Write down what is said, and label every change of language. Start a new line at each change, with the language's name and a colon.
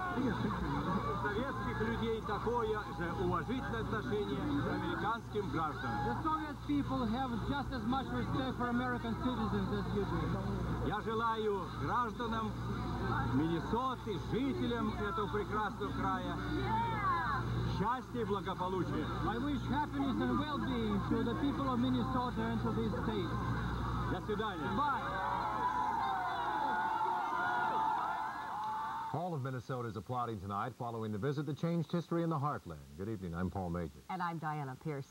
Russian: У советских людей такое же уважительное отношение к американским гражданам.
English: The Soviet people have just as much respect for American citizens as you do.
Russian: Я желаю гражданам Миннесоты, жителям этого прекрасного края, счастья и благополучия.
English: I wish happiness and well-being to the people of Minnesota and to this state.
Russian: До свидания.
English: Bye. All of Minnesota is applauding tonight following the visit that changed history in the heartland. Good evening. I'm Paul Majors. And I'm Diana Pierce.